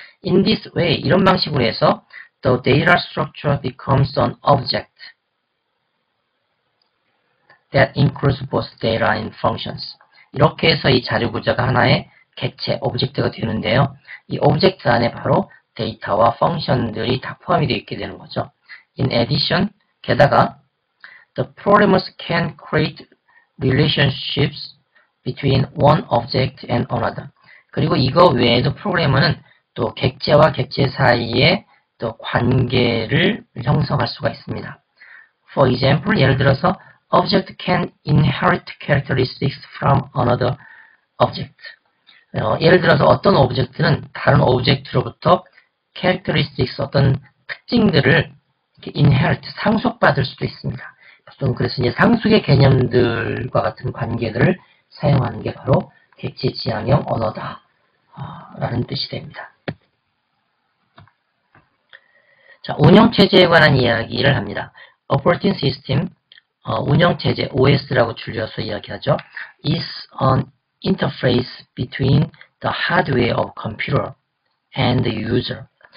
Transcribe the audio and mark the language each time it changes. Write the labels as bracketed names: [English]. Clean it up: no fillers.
[English] In this way, [Korean] 이런 방식으로 해서 [English] the data structure becomes an object that includes both data and functions. [Korean] 이렇게 해서 이 자료 구조가 하나의 객체, 오브젝트가 되는데요. 이 오브젝트 안에 바로 데이터와 펑션들이 다 포함이 되어 있게 되는 거죠. [English] In addition, [Korean] 게다가 [English] the programmers can create relationships between one object and another. [Korean] 그리고 이거 외에도 프로그래머는 또 객체와 객체 사이에 또 관계를 형성할 수가 있습니다. [English] For example, [Korean] 예를 들어서 [English] object can inherit characteristics from another object. [Korean] 예를 들어서 어떤 오브젝트는 다른 오브젝트로부터 characteristics, 어떤 특징들을 이렇게 inherit, 상속받을 수도 있습니다. 보통 그래서 이제 상속의 개념들과 같은 관계들을 사용하는 게 바로 객체지향형 언어다 라는 뜻이 됩니다. 자, 운영체제에 관한 이야기를 합니다. Operating System, 운영체제, OS라고 줄여서 이야기하죠. [English] is an interface between the hardware of computer and the user.